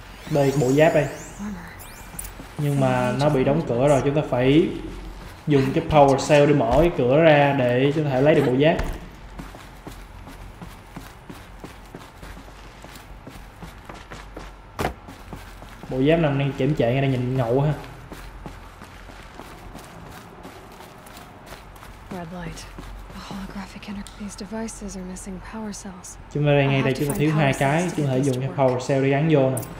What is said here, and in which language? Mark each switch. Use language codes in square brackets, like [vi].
[vi] Đây bộ giáp đây. Nhưng mà nó bị đóng cửa rồi, chúng ta phải dùng cái power cell để mở cái cửa ra để chúng ta có thể lấy được bộ giáp. Bộ giáp nằm đang chậm chạy ngay đây, nhìn ngậu ha. [en] Red light. The holographic interface devices are missing power cells. [vi] Chúng ta đây ngay đây chúng ta thiếu hai cái, chúng ta phải dùng cái power cell để gắn vô nè.